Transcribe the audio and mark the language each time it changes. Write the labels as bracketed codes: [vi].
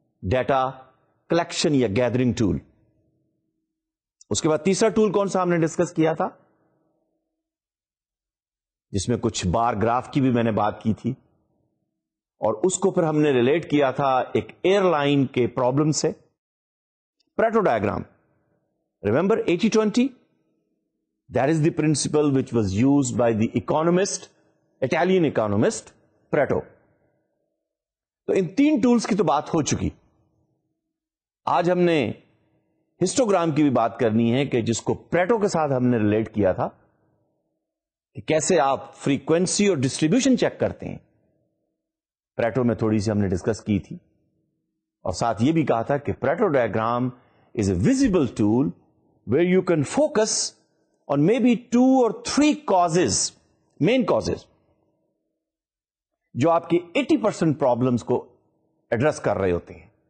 [ur] Data collection یا gathering tool. اس کے بعد تیسرا ٹول کون سا ہم نے ڈسکس کیا تھا جس میں کچھ بار گراف کی بھی میں نے بات کی تھی اور اس کو پھر ہم نے ریلیٹ کیا تھا ایک ایئر لائن کے پرابلم سے. [en] Pareto diagram remember 80-20 that is the principle which was use by the economist Italian economist Pareto. [ur] تو ان تین ٹولس کی تو بات ہو چکی. آج ہم نے ہسٹوگرام کی بھی بات کرنی ہے کہ جس کو پریٹو کے ساتھ ہم نے ریلیٹ کیا تھا کہ کیسے آپ فریکوینسی اور ڈسٹریبیوشن چیک کرتے ہیں. پریٹو میں تھوڑی سی ہم نے ڈسکس کی تھی اور ساتھ یہ بھی کہا تھا کہ Pareto diagram is a visible tool where you can focus on may be to اور تھری کازز مین کازز جو آپ کے 80% پرابلمس کو ایڈریس کر رہے ہوتے ہیں.